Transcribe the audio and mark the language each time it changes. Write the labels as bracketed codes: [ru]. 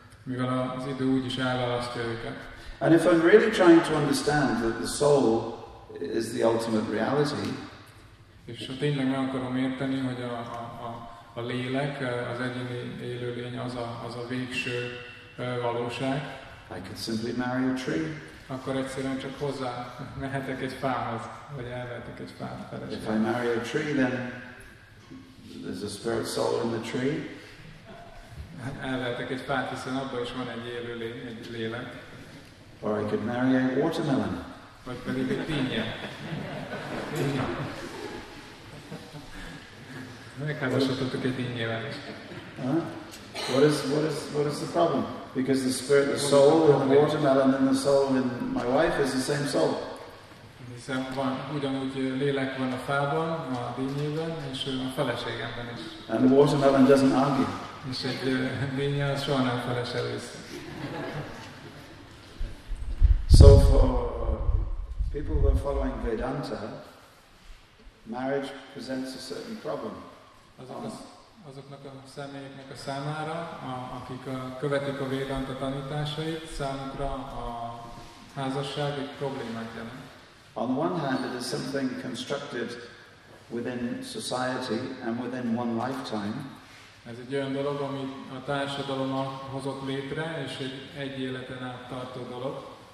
[hu] Mivel az idő úgyis elválasztja őket. [en] And if I'm really trying to understand that the soul is the ultimate reality, [hu] és ha tényleg meg akarom érteni, hogy a lélek, az egyéni élőlény az a végső valóság, [en] I could simply marry a tree. [hu] Akkor egyszerűen csak hozzá mehetek egy fához, vagy elvehetek egy fát. [en] If I marry a tree, then there's a spirit soul in the tree. [hu] Elvehetek egy fát, hiszen abban is van egy élőlény, egy lélek. [en] Or I could marry a watermelon. [hu] Vagy pedig egy pinye. Megházasodhatok egy dinnyével is. [en] What is the problem? Because the spirit, the soul, and the watermelon, and the soul in my wife is the same soul. [hu] Hiszen van, ugyanúgy lélek van a fában, a dinnyében, és a feleségemben is. [en] And the watermelon doesn't argue. [hu] És egy dinnye az soha nem felesel vissza. [en] So for people who are following Vedanta, marriage presents a certain problem. [hu] Azoknak a személyeknek a számára, akik követik a Vedanta tanításait, számukra a házasság egy problémát jelent. [en] On the one hand, it is something constructed within society and within one lifetime. [hu] Ez egy olyan dolog, amit a társadalom hozott létre, és egy életen át tartó dolog.